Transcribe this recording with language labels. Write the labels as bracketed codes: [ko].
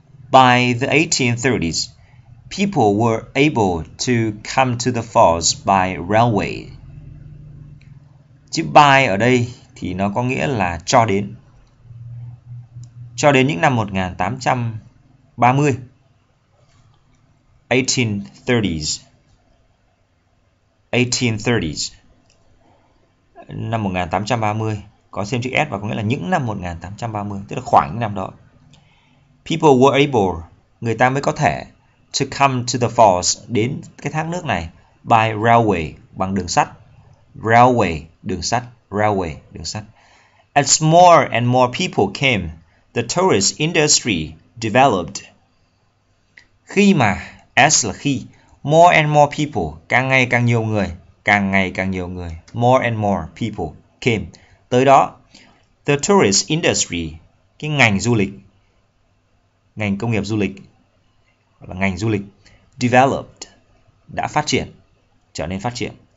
[en] By the 1830s, people were able to come to the falls by railway. [vi] Chữ by ở đây thì nó có nghĩa là cho đến. Cho đến những năm 1830. [en] 1830s. [vi] Năm 1830 có thêm chữ S và có nghĩa là những năm 1830, tức là khoảng những năm đó. People were able, người ta mới có thể, to come to the falls, đến cái thác nước này by railway, bằng đường sắt. Railway, đường sắt. Railway, đường sắt. [en] As more and more people came, the tourist industry developed. [vi] Khi mà, as là khi, more and more people, càng ngày càng nhiều người, càng ngày càng nhiều người, more and more people came, tới đó. The tourist industry, cái ngành du lịch, ngành công nghiệp du lịch, là ngành du lịch, developed, đã phát triển, trở nên phát triển.